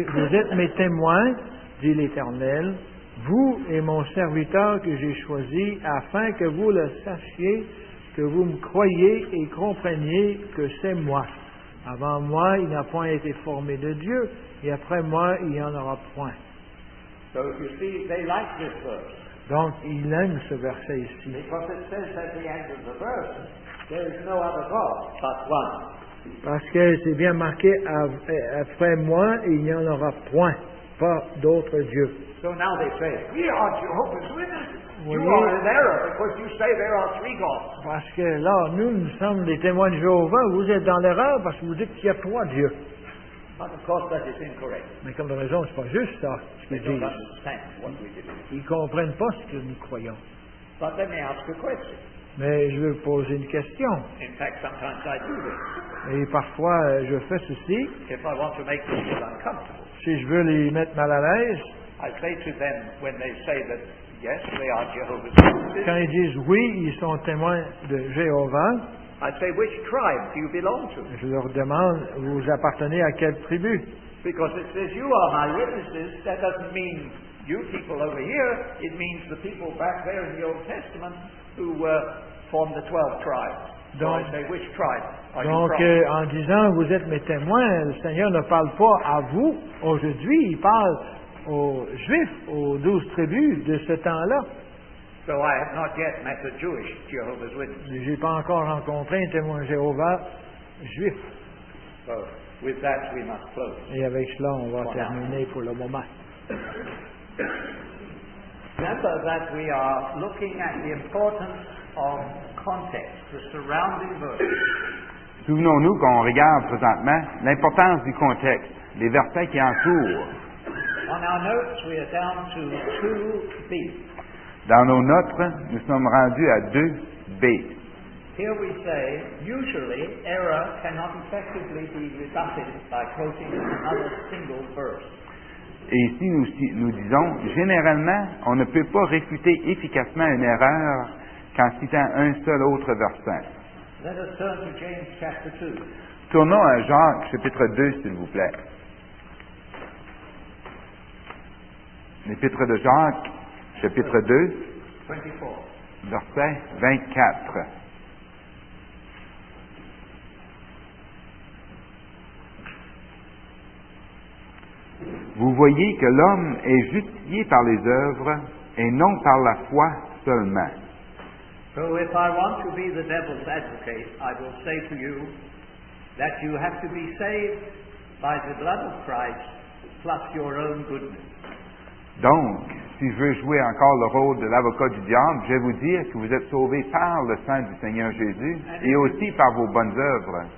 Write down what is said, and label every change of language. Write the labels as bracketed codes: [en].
[fr] Vous êtes mes témoins, dit l'Éternel, vous et mon serviteur que j'ai choisi, afin que vous le sachiez, que vous me croyez et compreniez que c'est moi. Avant moi, il n'a point été formé de Dieu, et après moi, il n'y en aura point. [en] So you see, they like this verse. [fr] Donc, ils aiment ce verset ici. [en] Because it says at the end of the verse, there is no other God but one. [fr] Parce que c'est bien marqué, après moi, il n'y en aura point, pas d'autre Dieu. [en] So now they say, we are Jehovah's Witnesses. You are in error, because you say there are three gods. [fr] Parce que là, nous, nous sommes les témoins de Jéhovah. Vous êtes dans l'erreur parce que vous dites qu'il y a trois dieux. [en] But of course that is incorrect. [fr] Mais comme de raison, ce n'est pas juste ça, ce qu'ils disent. Ils ne comprennent pas ce que nous croyons. [en] But let me ask a question. [fr] Mais je veux poser une question. [en] In fact, sometimes I do this. [fr] Et parfois, je fais ceci. [en] If I want to make them feel uncomfortable, [fr] si je veux les mettre mal à l'aise, [en] I say to them when they say that yes, they are Jehovah's Witnesses. [fr] Quand ils disent oui, ils sont témoins de Jéhovah. [en] I say, which tribe do you belong to? [fr] Je leur demande, vous appartenez à quelle tribu? [en] Because it says you are my witnesses, that doesn't mean you people over here. It means the people back there in the Old Testament who were formed the 12 tribes. [fr] Donc, [en] so I say, which tribe are you from? [fr] Donc, en disant vous êtes mes témoins, le Seigneur ne parle pas à vous aujourd'hui. Il parle aux Juifs, aux 12 tribus de ce temps-là. [en] So I have not yet met a Jewish Jehovah's Witness. [fr] Je n'ai pas encore rencontré un témoin Jéhovah juif. [en] So, with that we must close. [fr] Et avec cela, on va terminer pour le moment. [en] Remember that we are looking at the importance of context, the surrounding verses. [fr] Souvenons-nous qu'on regarde présentement l'importance du contexte, les versets qui entourent. [en] On our notes, we are down to 2b. [fr] Dans nos notes, nous sommes rendus à 2b. [en] Here we say, usually, error cannot effectively be rebutted by quoting another single verse. [fr] Et ici, nous disons, généralement, on ne peut pas réfuter efficacement une erreur qu'en citant un seul autre verset. [en] Let us turn to James chapter 2. [fr] Tournons à Jacques chapitre 2, s'il vous plaît. L'épître de Jacques, chapitre 2, [en] 24. [fr] Verset 24. Vous voyez que l'homme est justifié par les œuvres et non par la foi seulement. [en] So if I want to be the devil's advocate, I will say to you that you have to be saved by the blood of Christ plus your own goodness. [fr] Donc, si je veux jouer encore le rôle de l'avocat du diable, je vais vous dire que vous êtes sauvés par le sang du Seigneur Jésus et aussi par vos bonnes œuvres.